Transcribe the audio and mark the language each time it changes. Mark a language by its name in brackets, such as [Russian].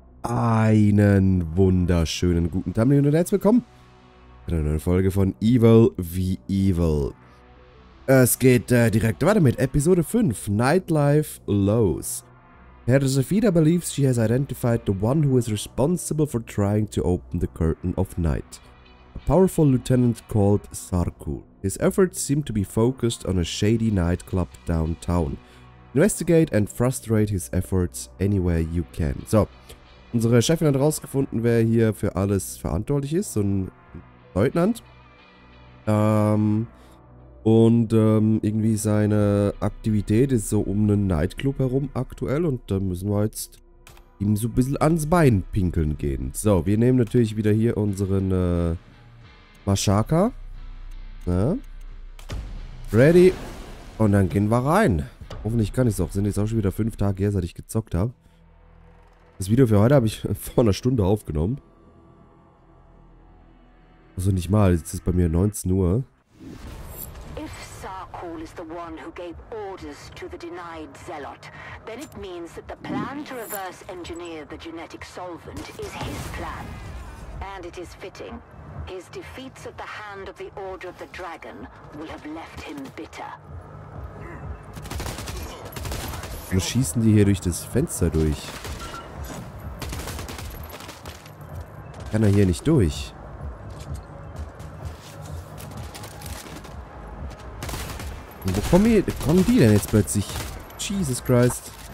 [German] Einen wunderschönen guten Tag, meine Lieben, und herzlich willkommen in einer neuen Folge von Evil wie Evil. Es geht direkt weiter mit Episode 5, Nightlife Lows. [English] Herr Zafira believes she has identified the one who is responsible for trying to open the curtain of night. A powerful lieutenant called Sarkul. His efforts seem to be focused on a shady nightclub downtown. Investigate and frustrate his efforts anywhere you can. So. [German] Unsere Chefin hat herausgefunden, wer hier für alles verantwortlich ist, so ein Leutnant. Irgendwie seine Aktivität ist so um einen Nightclub herum aktuell und da müssen wir jetzt ihm so ein bisschen ans Bein pinkeln gehen. So, wir nehmen natürlich wieder hier unseren Mashaka. Ne? Ready. Und dann gehen wir rein. Hoffentlich kann ich es auch. Sind jetzt auch schon wieder 5 Tage her, seit ich gezockt habe. Das Video für heute habe ich vor einer Stunde aufgenommen. Also nicht mal, jetzt ist bei mir 19 Uhr. [English] If Sarkul is the one who gave orders to the denied zealot, then it means that the plan to reverse engineer the genetic solvent is his plan. And it is fitting. His defeats at the hand of the Order of the Dragon will have left him bitter. [German] Wo schießen die hier durch das Fenster durch? Kann er hier nicht durch? Und wo kommen die denn jetzt plötzlich? Jesus Christ.